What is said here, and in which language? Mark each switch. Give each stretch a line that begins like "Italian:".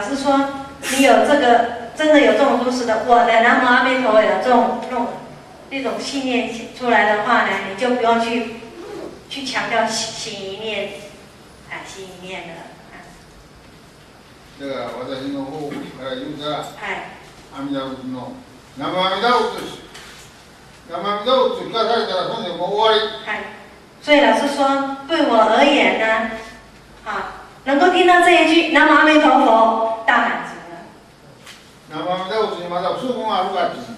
Japanese: はい、
Chinese: 老师说你有这个真的有这种如实的我的南无阿弥陀佛有这种信念出来的话呢，你就不用去强调心一念的、
Japanese: だから私の方から言うたら、はい、阿弥陀仏の南無阿弥陀仏
Chinese: 南无阿弥陀佛就告诉你了，从此我无碍。所以老师说，对我而言呢，能够听到这一句南无阿弥陀佛，大满足了。南无阿弥陀佛，你马上顺风而入啊！